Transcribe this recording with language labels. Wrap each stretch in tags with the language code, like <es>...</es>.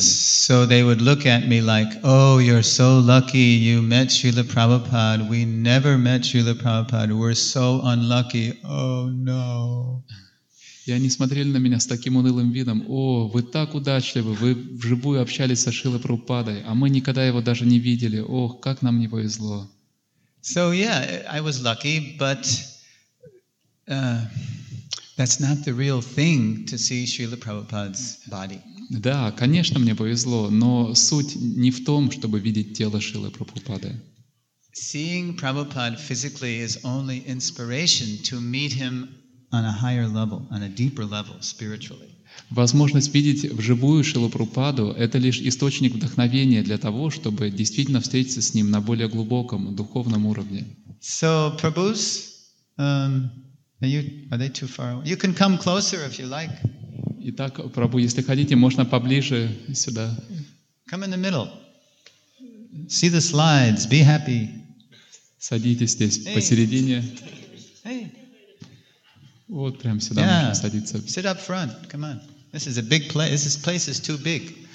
<en>So they would look at me like, oh, you're so lucky you met Srila Prabhupada. We never met Srila Prabhupada. We're so unlucky. Oh, no.</en> <ru>И они смотрели на меня с таким унылым видом. О, вы так удачливы, вы вживую общались со Шрилой Прабхупадой, а мы никогда его даже не видели. Ох, как нам не повезло.</ru> <en>So yeah, I was lucky, but that's not the real thing to see Srila Prabhupada's body.</en> <ru>Да, конечно, мне повезло, но суть не в том, чтобы видеть тело Шрилы Прабхупады.</ru> <en>Seeing Prabhupada physically is only inspiration to meet him on a higher level, on a deeper level spiritually.</en> <ru>Возможность видеть вживую Шрилу Прабхупаду — это лишь источник вдохновения для того, чтобы действительно встретиться с ним на более глубоком духовном уровне.</ru> <en>So, Prabhus, are they too far away? You can come closer if you like.</en> <ru>Итак, Прабху, если хотите, можно поближе сюда.</ru> <en>Come in the middle. See the slides. Be happy.</en> <ru>Садитесь здесь hey. Посередине. Hey. Вот прямо сюда yeah. можно садиться.</ru> <en>Sit up front. Come on. This is a big place. This place is too big.</en>